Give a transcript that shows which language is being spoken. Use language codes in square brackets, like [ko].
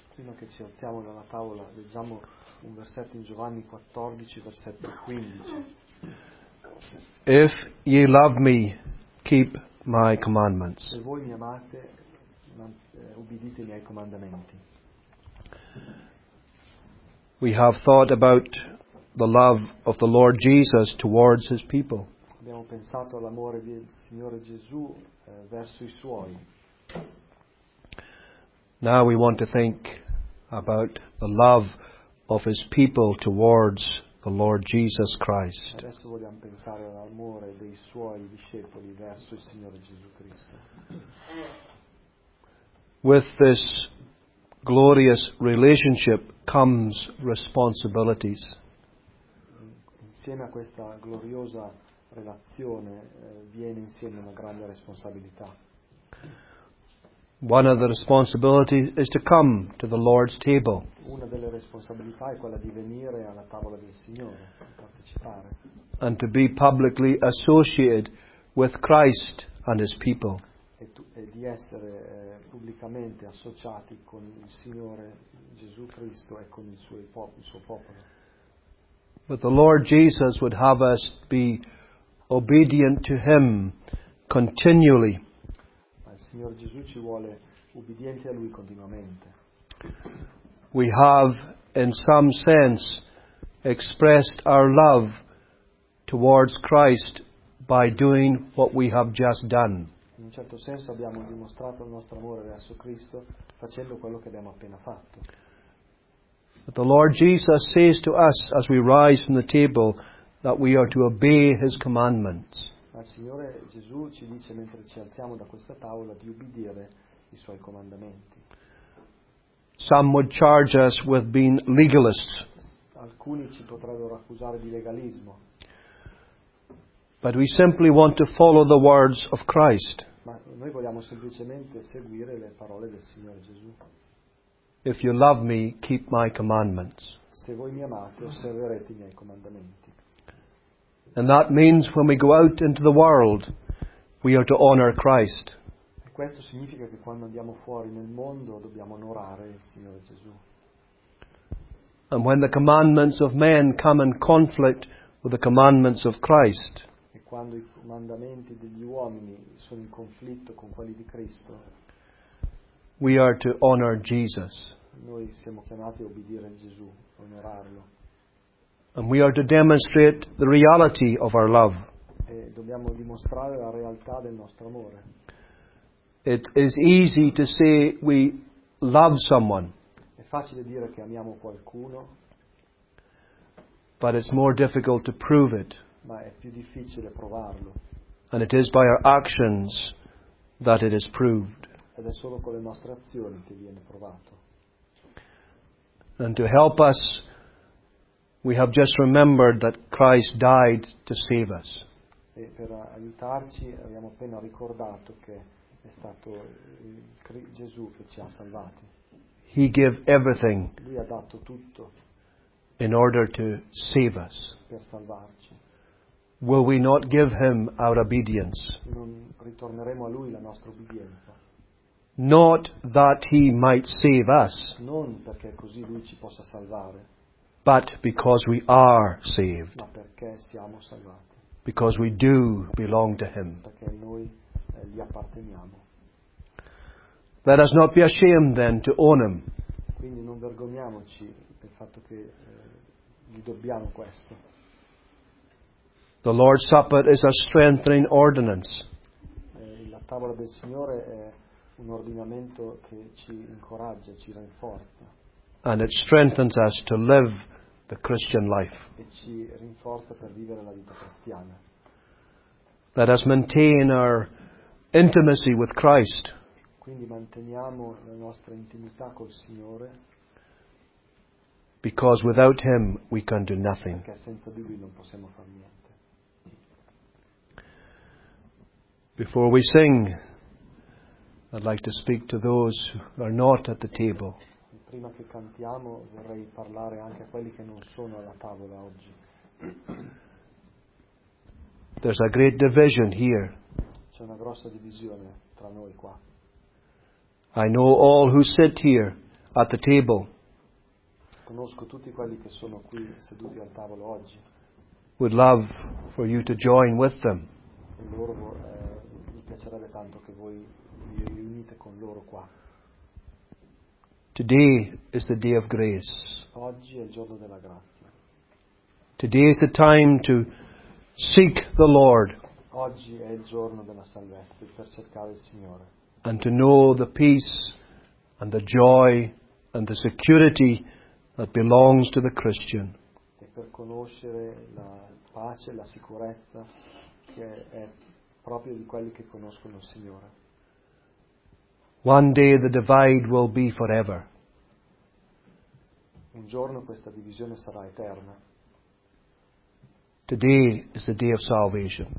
[it] Prima che ci alziamo dalla tavola, leggiamo un versetto in Giovanni 14, versetto 15. [en] If ye love me, keep my commandments. [it] Se voi mi amate, ubbidite i miei comandamenti. [en] We have thought about the love of the Lord Jesus towards his people. [it] Abbiamo pensato all'amore del Signore Gesù verso i suoi. [en] Now we want to think about the love of his people towards the Lord Jesus Christ. [it] Adesso vogliamo pensare all'amore dei suoi discepoli verso il Signore Gesù Cristo. [en] With this glorious relationship comes responsibilities. [it] Insieme a questa gloriosa relazione viene insieme una grande responsabilità. [en] One of the responsibilities is to come to the Lord's table. [it] Una delle responsabilità è quella di venire alla tavola del Signore, partecipare. [en] And to be publicly associated with Christ and his people. [it] E di essere pubblicamente associati con il Signore Gesù Cristo e con il suo popolo. [en] But the Lord Jesus would have us be obedient to him continually. [it] Signor Gesù ci vuole ubbidienti a lui continuamente. [en] We have in some sense expressed our love towards Christ by doing what we have just done. [it] In un certo senso abbiamo dimostrato il nostro amore verso Cristo facendo quello che abbiamo appena fatto. [en] But the Lord Jesus says to us as we rise from the table that we are to obey his commandments. [it] Il Signore Gesù ci dice mentre ci alziamo da questa tavola di ubbidire i suoi comandamenti. [en] Some would charge us with being legalists. [it] Alcuni ci potrebbero accusare di legalismo. [en] But we simply want to follow the words of Christ. [it] Ma noi vogliamo semplicemente seguire le parole del Signore Gesù. [en] If you love me, keep my commandments. [it] Se voi mi amate, osserverete i miei comandamenti. [en] And that means when we go out into the world, we are to honor Christ. [it] E questo significa che quando andiamo fuori nel mondo dobbiamo onorare il Signore Gesù. [en] And when the commandments of men come in conflict with the commandments of Christ, [it] e quando i comandamenti degli uomini sono in conflitto con quelli di Cristo, [en] we are to honor Jesus. [it] Noi siamo chiamati a obbedire a Gesù, onorarlo. [en] And we are to demonstrate the reality of our love. [it] E dobbiamo dimostrare la realtà del nostro amore. [en] It is easy to say we love someone. [it] È facile dire che amiamo qualcuno. [en] But it's more difficult to prove it. [it] Ma è più difficile provarlo. [en] And it is by our actions that it is proved. [it] Ed è solo con le nostre azioni che viene provato. [en] And to help us, we have just remembered that Christ died to save us. [it] E per aiutarci abbiamo appena ricordato che è stato Gesù che ci ha salvati. [en] He gave everything. [it] Lui ha dato tutto. [en] In order to save us. [it] Per salvarci. [en] Will we not give him our obedience? [it] Non ritorneremo a lui la nostra obbedienza. [en] Not that he might save us. [it] Non perché così lui ci possa salvare. [en] But because we are saved. [it] Ma perché siamo salvati. [en] Because we do belong to him. [it] Perché noi gli apparteniamo. [en] Let us not be ashamed then to own him. [it] Quindi non vergogniamoci del fatto che gli dobbiamo questo. [en] The Lord's Supper is a strengthening ordinance. [it] La tavola del Signore è un ordinamento che ci incoraggia, ci rinforza. [en] And it strengthens us to live the Christian life. [it] E ci rinforza per vivere la vita cristiana. [en] Let us maintain our intimacy with Christ. [it] Quindi manteniamo la nostra intimità col Signore. [en] Because without him we can do nothing. [it] Perché senza di lui non possiamo far niente. [en] Before we sing, I'd like to speak to those who are not at the table. [it] prima che cantiamo vorrei parlare anche a quelli che non sono alla tavola oggi. [en] There's a great division here. [it] C'è una grossa divisione tra noi qua. [en] I know all who sit here at the table. [it] Conosco tutti quelli che sono qui seduti al tavolo oggi. [en] Would love for you to join with them. [it] Mi piacerebbe tanto che voi vi riunite con loro qua. [en] Today is the day of grace. [it] Oggi è il giorno della grazia. [en] Today is the time to seek the Lord. [it] Oggi è il giorno della salvezza, per cercare il Signore. [en] And to know the peace and the joy and the security that belongs to the Christian. [it] E per conoscere la pace e la sicurezza che è proprio di quelli che conoscono il Signore. [en] One day the divide will be forever. [it] Un giorno questa divisione sarà eterna. [en] Today is the day of salvation.